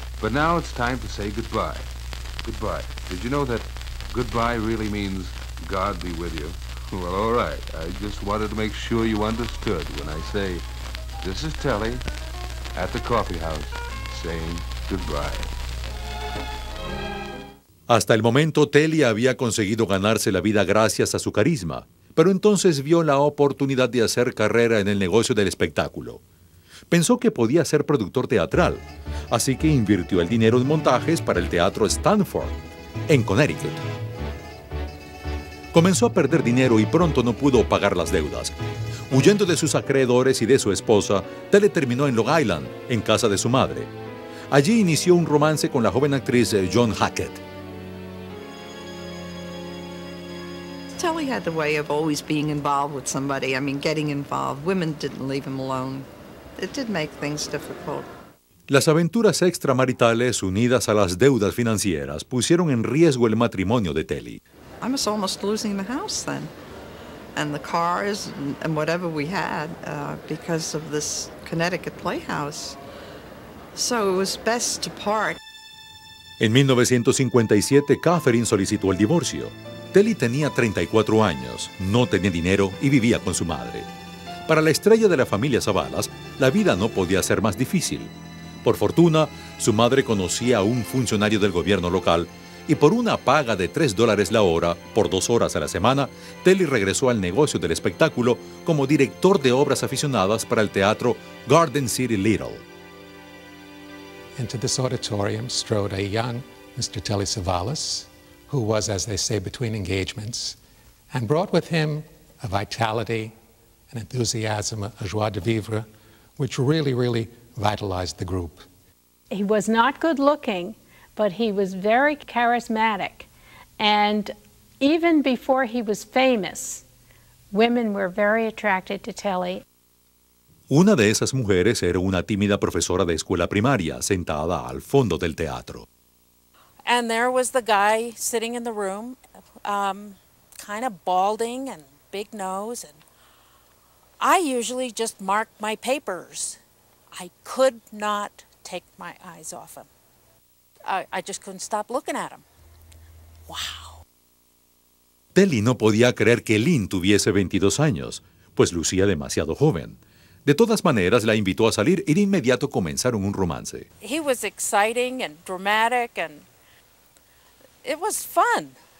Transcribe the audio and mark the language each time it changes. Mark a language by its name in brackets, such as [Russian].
[English] But now it's time to say goodbye. goodbye. Did you know that goodbye really means God be with you? Well, all right. I just wanted to make sure you understood when I say, this is Telly at the coffee house saying goodbye. [Spanish] Hasta el momento, Telly había conseguido ganarse la vida gracias a su carisma, pero entonces vio la oportunidad de hacer carrera en el negocio del espectáculo. Pensó que podía ser productor teatral, así que invirtió el dinero en montajes para el Teatro Stanford, en Connecticut. Comenzó a perder dinero y pronto no pudo pagar las deudas. Huyendo de sus acreedores y de su esposa, Telly terminó en Long Island, en casa de su madre. Allí inició un romance con la joven actriz Joan Hackett. [English] Telly had the way of always being involved with somebody. I mean, getting involved. Women didn't leave him alone. It did make things difficult. [Spanish] Las aventuras extramaritales unidas a las deudas financieras pusieron en riesgo el matrimonio de Telly. [English] I was almost losing the house then, and the cars and whatever we had because of this Connecticut playhouse. So it was best to part. [Spanish] En 1957, Catherine solicitó el divorcio. Telly tenía 34 años, no tenía dinero y vivía con su madre. Para la estrella de la familia Zavalas, la vida no podía ser más difícil. Por fortuna, su madre conocía a un funcionario del gobierno local y por una paga de $3 la hora, por 2 horas a la semana, Telly regresó al negocio del espectáculo como director de obras aficionadas para el teatro Garden City Little. [English] Into this auditorium strode a young Mr. Telly Zavalas, who was, as they say, between engagements, and brought with him a vitality, an enthusiasm, a joie de vivre, which really, really vitalized the group. He was not good looking, but he was very charismatic. And even before he was famous, women were very attracted to Telly. [Spanish] Una de esas mujeres era una tímida profesora de escuela primaria sentada al fondo del teatro. [English] And there was the guy sitting in the room, kind of balding and big nose. And I usually just mark my papers. I could not take my eyes off him. I just couldn't stop looking at him. Wow. [Spanish] Telly no podía creer que Lynn tuviese 22 años, pues lucía demasiado joven. De todas maneras, la invitó a salir y de inmediato comenzaron un romance. [English] He was exciting and dramatic and... It was fun.